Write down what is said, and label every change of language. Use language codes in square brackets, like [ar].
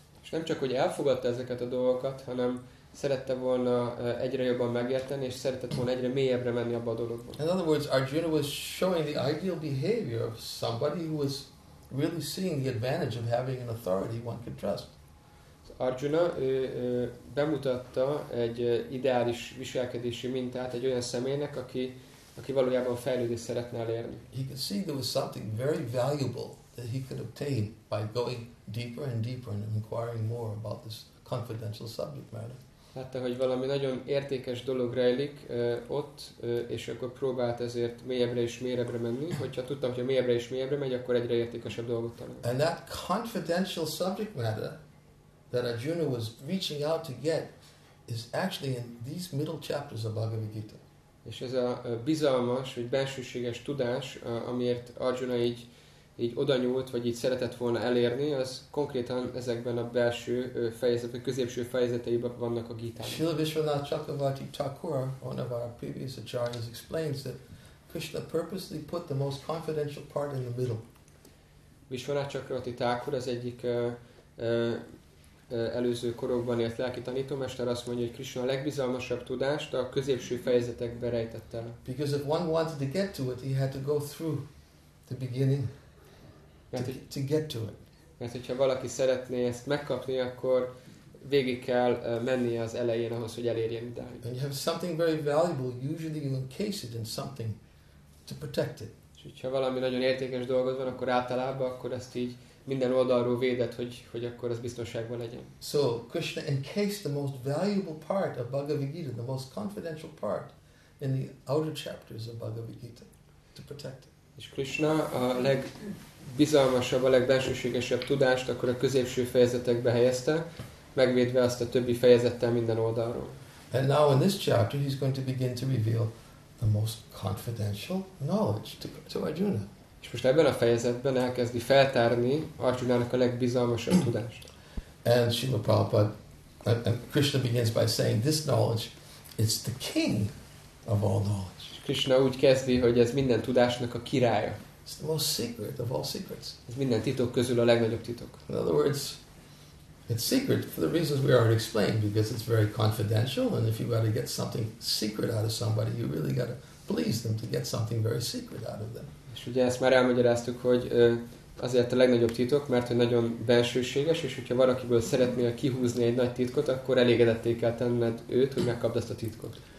[hu] És nem csak hogy elfogadta ezeket a dolgokat, hanem szerette volna egyre jobban megérteni, és szeretett volna egyre mélyebbre menni abba a dologba. [en] In other words, Arjuna was showing the ideal behavior of somebody who was really seeing the advantage of having an authority one could trust. [hu] Arjuna bemutatta egy ideális viselkedési mintát egy olyan személynek, aki valójában fejlődést szeretne elérni. [en] He could see there was something very valuable that he could obtain by going deeper and deeper and inquiring more about this confidential subject matter. [hu] Látta, hogy valami nagyon értékes dolog rejlik ott, és akkor próbált ezért mélyebbre és mélyebbre menni, hogyha tudta, hogy mélyebbre és mélyebbre megy, akkor egyre értékesebb dolgot talál. [en] And that confidential subject matter that Arjuna was reaching out to get is actually in these middle chapters of Bhagavad Gita. [hu] És ez a bizalmas, vagy bensőséges tudás, amiért Arjuna így oda nyúlt, vagy így szeretett volna elérni, az konkrétan ezekben a belső fejezet, vagy középső fejezeteiben vannak a Gita-ban. [en] Srila Vishwanath Chakravarti Thakur, one of our previous acharyas, explains that Krishna purposely put the most confidential part in the middle. [hu] Vishwanath Chakravarti Thakur az egyik előző korokban élt lelki tanítómester azt mondja, hogy Krishna a legbizalmasabb tudást a középső fejezetekbe rejtette. [en] Because if one wanted to get to it, he had to go through the beginning to get to it. [hu] Mert hogyha valaki szeretné ezt megkapni, akkor végig kell mennie az elején ahhoz, hogy elérjen idáig. [en] And you have something very valuable, usually you encase it in something to protect it. [hu] És hogyha valami nagyon értékes dolgod van, akkor általában, akkor ezt így minden oldalról védett, hogy akkor az biztonságban legyen. [en] So Krishna encased the most valuable part of Bhagavad Gita, the most confidential part, in the outer chapters of Bhagavad Gita to protect it. [hu] És Krishna a legbizalmasabb, a legbensőségesebb tudást akkor a középső fejezetekbe helyezte, megvédve azt a többi fejezettel minden oldalról. [en] And now in this chapter he's going to begin to reveal the most confidential knowledge to Arjuna. [hu] És most ebben a fejezetben elkezdi feltárni Arjunának a legbizalmasabb tudást. [en] And Srila Prabhupada, and Krishna begins by saying, this knowledge is the king of all knowledge. [hu] Krishna úgy kezdi, hogy ez minden tudásnak a királya. [en] It's the most secret of all secrets. [hu] Ez minden titok közül a legnagyobb titok. [en] In other words, it's secret for the reasons we already explained, because it's very confidential, and if you got to get something secret out of somebody, you really got to please them to get something very secret out of them. [hu] És ugye ezt már elmagyaráztuk, hogy azért a legnagyobb titok, mert hogy nagyon bensőséges, és hogyha valakiből szeretnél kihúzni egy nagy titkot, akkor elégedetté kell tenned őt, hogy megkapd ezt a titkot.